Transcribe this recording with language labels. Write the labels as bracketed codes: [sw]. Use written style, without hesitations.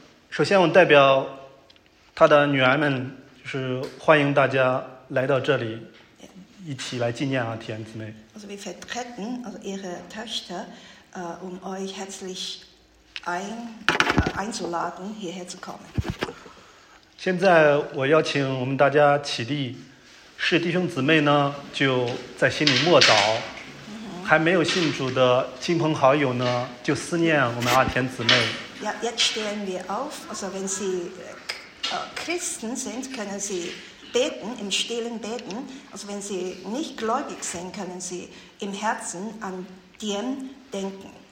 [zh] 首先，我代表他的女儿们。就是欢迎大家来到这里，一起来纪念阿田姊妹。 [de] Also wir vertreten also ihre Töchter, um euch herzlich einzuladen hierher zu kommen. [zh] 现在我邀请我们大家起立，是弟兄姊妹呢就在心里默祷，还没有信主的亲朋好友呢就思念我们阿田姊妹。 [de] Ja, jetzt stehen wir auf, also wenn Sie Christen sind, können sie beten, im Stillen beten. Also wenn sie nicht gläubig sind, können sie im Herzen an den denken.